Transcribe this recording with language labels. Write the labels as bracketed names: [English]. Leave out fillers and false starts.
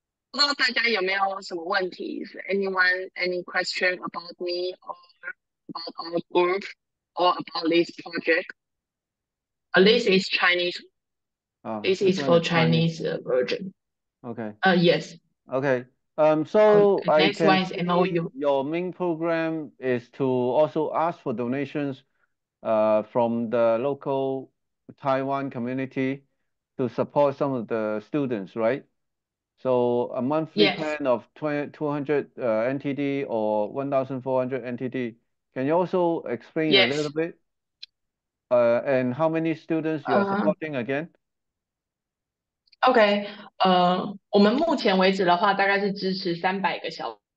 [Chinese] 我是戴着蓝牙耳机，现在这样听得清楚吗？好，好一点。Hello，好，好。那不知道大家有没有什么问题？ [English] Is anyone any question about me or about our group or about this project? This is Chinese. This is for Chinese version. Okay. Yes. Okay. So next I can one is MOU. Your main program is to also ask for donations from the local Taiwan community to support some of the students, right? So a monthly yes. plan of 200 NTD or 1,400 NTD. Can you also explain yes. a little bit? And how many students you are supporting again? [Chinese] OK, 我们目前为止的话大概是支持300个小